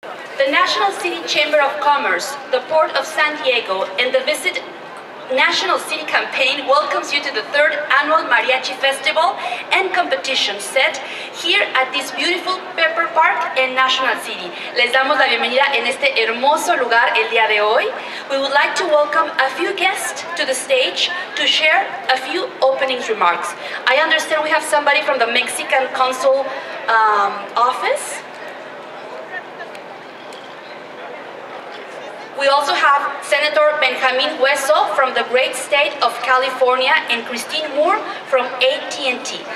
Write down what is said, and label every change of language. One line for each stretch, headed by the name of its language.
English: The National City Chamber of Commerce, the Port of San Diego, and the Visit National City campaign welcomes you to the third annual Mariachi Festival and competition set here at this beautiful Pepper Park in National City.
Spanish: Les damos la bienvenida en este hermoso lugar el día de hoy.
English: We would like to welcome a few guests to the stage to share a few opening remarks. I understand we have somebody from the Mexican Consul office. We also have Senator Benjamin Hueso from the great state of California and Christine Moore from AT&T.